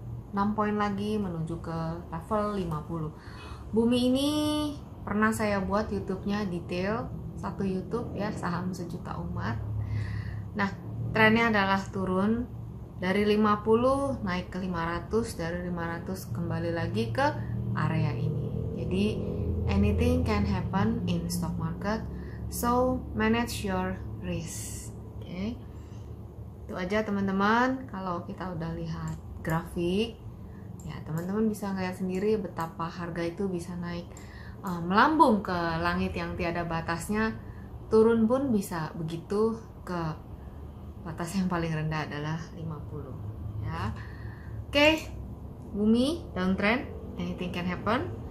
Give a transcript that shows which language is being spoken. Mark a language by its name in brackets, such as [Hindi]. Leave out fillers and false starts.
[Indonesian] 6 poin lagi menuju ke level 50. Bumi ini pernah saya buat YouTube-nya detail, satu YouTube ya, saham sejuta umat. Nah, trennya adalah turun dari 50 naik ke 500, dari 500 kembali lagi ke area ini. Jadi [English] anything can happen in stock market, so manage your risk. [Indonesian] Okay. Itu aja teman-teman. Kalau kita udah lihat grafik, ya teman-teman bisa ngeliat sendiri betapa harga itu bisa naik melambung ke langit yang tiada batasnya, turun pun bisa begitu ke batas yang paling rendah adalah 50. Ya, oke, okay. [English] Bumi downtrend, anything can happen.